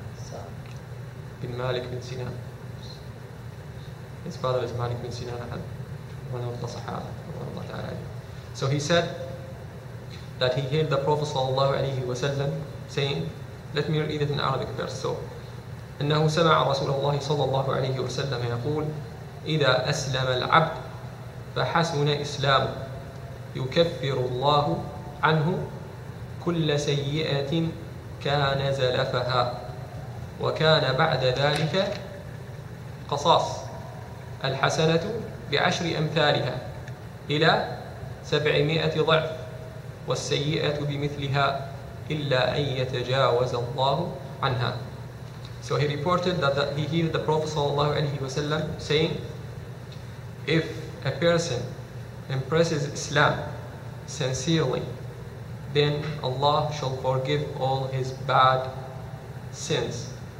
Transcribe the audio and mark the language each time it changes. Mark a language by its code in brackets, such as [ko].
[en] Sa'ad. Bin Malik bin Sinan. His father is Malik bin Sinan, one of the Sahaba, Allah Ta'ala. So he said that he heard the Prophet sallallahu alayhi wa sallam saying, let me read it in Arabic first. So, [ar] إنه سمع رسول الله صلى الله عليه وسلم يقول إذا أسلم العبد فحسن إسلامه يكفر الله عنه كل سيئة كان زلفها وكان بعد ذلك قصاص الحسنة بعشر أمثالها إلى 700 ضعف والسيئة بمثلها إلا أن يتجاوز الله عنها. [en] So he reported that he heard the Prophet sallallahu alayhi wa sallam saying, if a person impresses Islam sincerely, then Allah shall forgive all his bad sins.